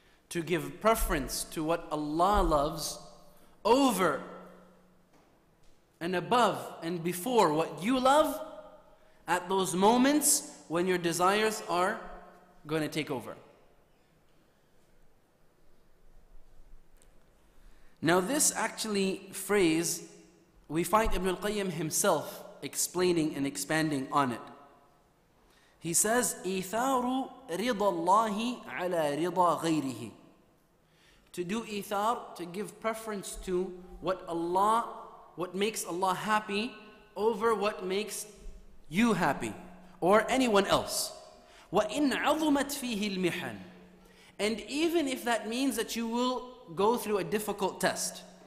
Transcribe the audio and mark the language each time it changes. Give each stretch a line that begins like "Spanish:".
English: To give preference to what Allah loves over and above and before what you love at those moments when your desires are going to take over. Now this actually phrase, we find Ibn al-Qayyim himself explaining and expanding on it. He says,
Arabic: إِثَارُ رِضَ اللَّهِ عَلَى رِضَى غَيْرِهِ.
English: To do إِثَار, to give preference to what Allah, what makes Allah happy over what makes you happy or anyone else.
Arabic: وَإِنْ عَظُمَتْ فِيهِ الْمِحَنِ.
English: And even if that means that you will go through a difficult test.